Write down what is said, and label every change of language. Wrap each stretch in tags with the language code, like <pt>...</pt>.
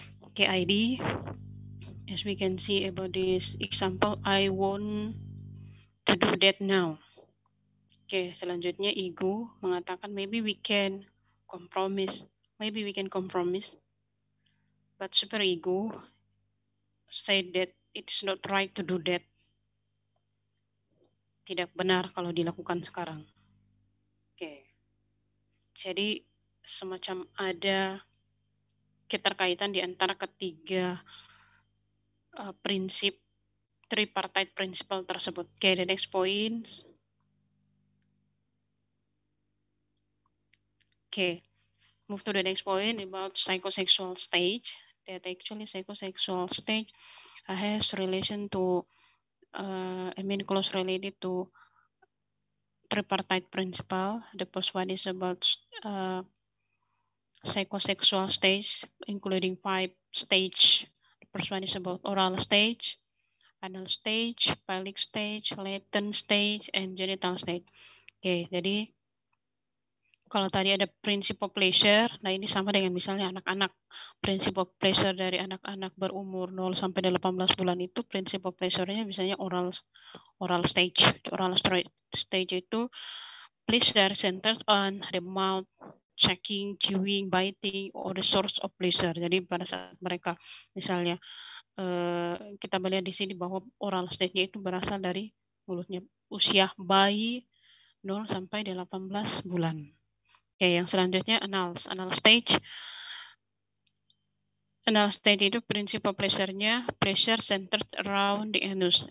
<en>Okay, ID. As we can see about this example, I want to do that now. Okay,</en> <id>selanjutnya ego mengatakan,</id> <en>maybe we can compromise. But superego said that it's not right to do that.</en> <id>Tidak benar kalau dilakukan sekarang. Jadi semacam ada keterkaitan di antara ketiga prinsip tripartite principle tersebut.</id> <en>Okay, the next point. Okay, move to the next point about psychosexual stage. That actually psychosexual stage has relation to, close related to tripartite principle. The first one is about psychosexual stage, including five stage. The first one is about oral stage, anal stage, pelvic stage, latent stage, and genital stage.</en> <id>Okay, jadi kalau tadi ada principle pleasure, nah ini sama dengan misalnya anak-anak. Principle pleasure dari anak-anak berumur 0 sampai 18 bulan itu principle pleasure-nya misalnya oral stage.</id> <en>Oral stage</en> <id>itu</id> <en>pleasure centered on the mouth, checking, chewing, biting, or the source of pleasure.</en> <id>Jadi pada saat mereka misalnya kita melihat di sini bahwa oral stage-nya itu berasal dari mulutnya usia bayi 0 sampai 18 bulan. Oke, yang selanjutnya</id> <en>anal stage</en> <id>itu</id> <en>principal pleasure centered around the anus.</en>